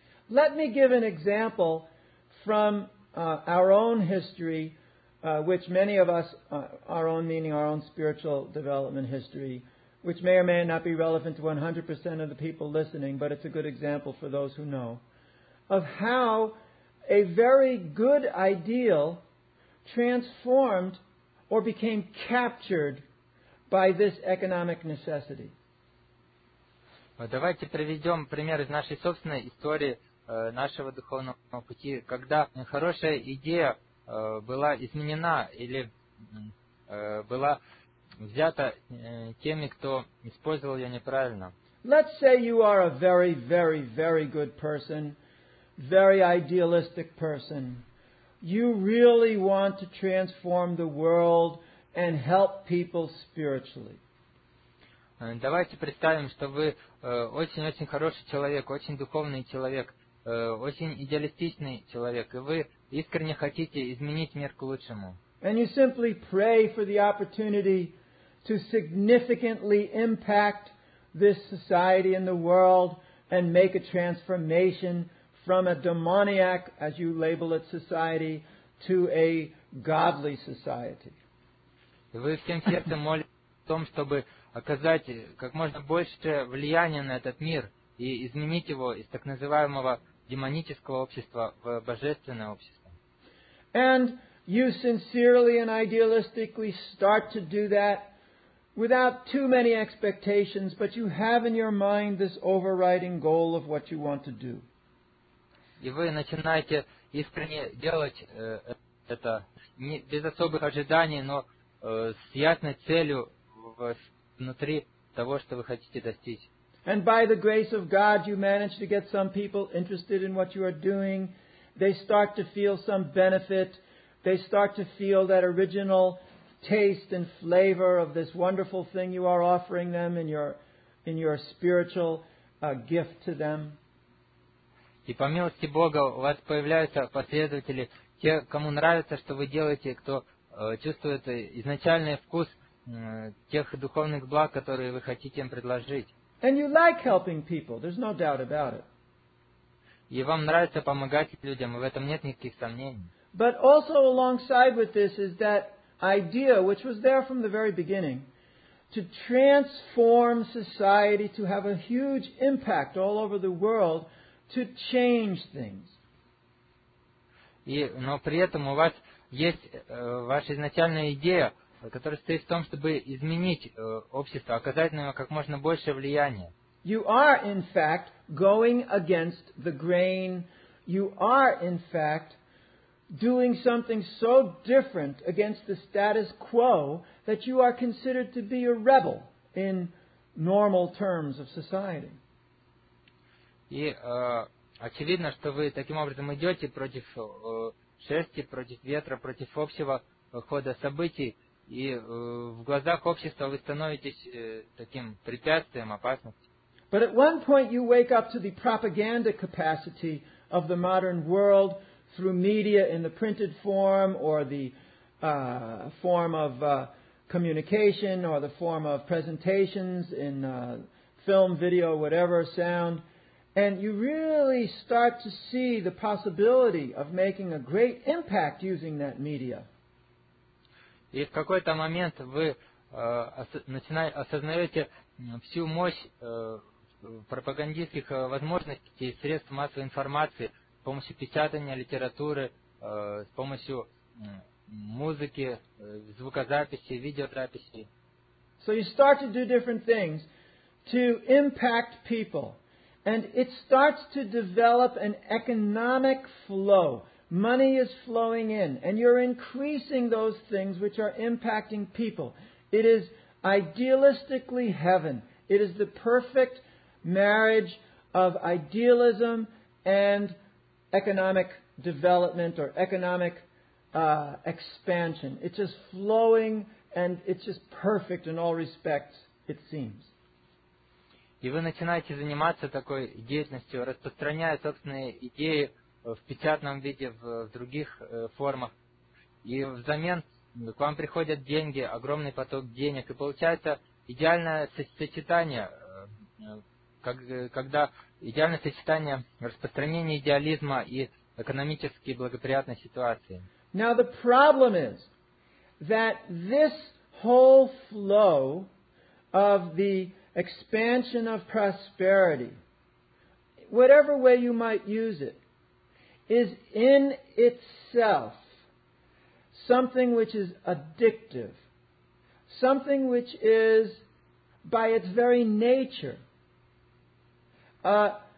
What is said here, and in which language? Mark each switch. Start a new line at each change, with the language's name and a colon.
English: Let me give an example from our own history, which many of us, our own meaning, our own spiritual development history, which may or may not be relevant to 100% of the people listening, but it's a good example for those who know, of how a very good ideal transformed or became captured by this economic necessity.
Russian: Давайте приведем пример из нашей собственной истории нашего духовного пути, когда хорошая идея была изменена или была взята теми, кто использовал ее неправильно.
English: Let's say you are a very, very, very good person, very idealistic person. You really want to transform the world and help people spiritually.
Russian: Давайте представим, что вы очень-очень хороший человек, очень духовный человек, очень идеалистичный человек, и вы искренне хотите изменить мир к лучшему.
English: And you simply pray for the opportunity to significantly impact this society and the world and make a transformation from a demoniac, as you label it, society, to a godly society.
Russian: Вы всем сердцем молитесь о том, чтобы оказать как можно больше влияния на этот мир и изменить его из так называемого демонического общества в божественное общество.
English: And you sincerely and idealistically start to do that without too many expectations, but you have in your mind this overriding goal of what you want to do.
Russian: И вы начинаете искренне делать это не, без особых ожиданий, но с ясной целью внутри того, что вы хотите достичь.
English: And by the grace of God, you manage to get some people interested in what you are doing. They start to feel some benefit. They start to feel that original taste and flavor of this wonderful thing you are offering them in your spiritual gift to them.
Russian: И по милости Бога у вас появляются последователи, те, кому нравится, что вы делаете, кто чувствует изначальный вкус тех духовных благ, которые вы хотите им предложить.
English: And you like helping people, there's no doubt about it.
Russian: И вам нравится помогать людям, и в этом нет никаких сомнений.
English: But also alongside with this is that idea, which was there from the very beginning, to transform society, to have a huge impact all over the world, to change things.
Russian: И, но при этом у вас есть ваша изначальная идея, который стоит в том, чтобы изменить общество, оказать на него как можно больше влияния.
English: You are, in fact, going against the grain. You are, in fact, doing something so different against the status quo that you are considered to be a rebel in normal terms of society.
Russian: И очевидно, что вы таким образом идете против шерсти, против ветра, против общего хода событий, и в глазах общества вы становитесь таким препятствием, опасностью.
English: But at one point you wake up to the propaganda capacity of the modern world through media in the printed form or the form of communication or the form of presentations in film, video, whatever, sound. And you really start to see the possibility of making a great impact using that media.
Russian: И в какой-то момент вы начинаете осознаете всю мощь пропагандистских возможностей, средств массовой информации, с помощью печатания, литературы, с помощью музыки, звукозаписи, видеозаписи.
English: So you start to do different things to impact people. And it starts to develop an economic flow. Money is flowing in. And you're increasing those things which are impacting people. It is idealistically heaven. It is the perfect marriage of idealism and economic development or economic expansion. It's just flowing and it's just perfect in all respects, it seems.
Russian: И вы начинаете заниматься такой деятельностью, распространяя собственные идеи в печатном виде, в других формах. И взамен к вам приходят деньги, огромный поток денег. И получается идеальное сочетание, когда идеальное сочетание распространения идеализма и экономически благоприятной ситуации.
English: Now the problem is that this whole flow of the expansion of prosperity, whatever way you might use it, is in itself something which is addictive, something which is, by its very nature, a